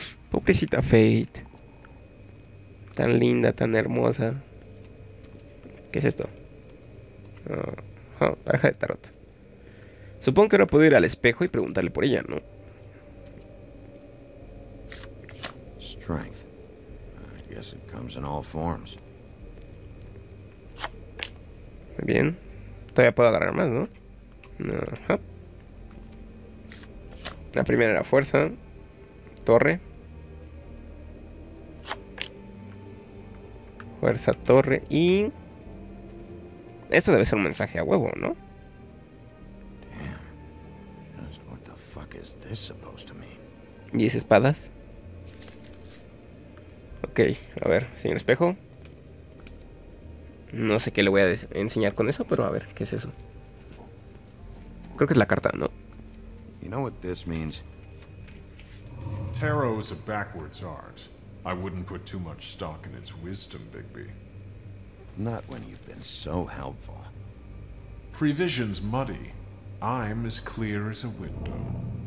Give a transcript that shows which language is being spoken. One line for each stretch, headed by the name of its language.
Spanish: Pobrecita Fate. Tan linda, tan hermosa. ¿Qué es esto? Baraja de tarot. Supongo que ahora puedo ir al espejo y preguntarle por ella, ¿no?
English: Strength. I guess it comes in all forms.
Spanish: Muy bien. Todavía puedo agarrar más, ¿no? Ajá. La primera era fuerza. Torre. Fuerza, torre y... Esto debe ser un mensaje a huevo, ¿no?
English: Damn. What the fuck is this supposed to mean?
Spanish: ¿Y es espadas? Ok, a ver, señor espejo. No sé qué le voy a enseñar con eso, pero a ver, ¿qué es eso? Creo que es la carta, ¿no?
English: You know what this means? Tarot is a backwards art. I wouldn't put too much stock in its wisdom, Bigby. Not when you've been so helpful. Prevision's muddy. I'm as clear as a window.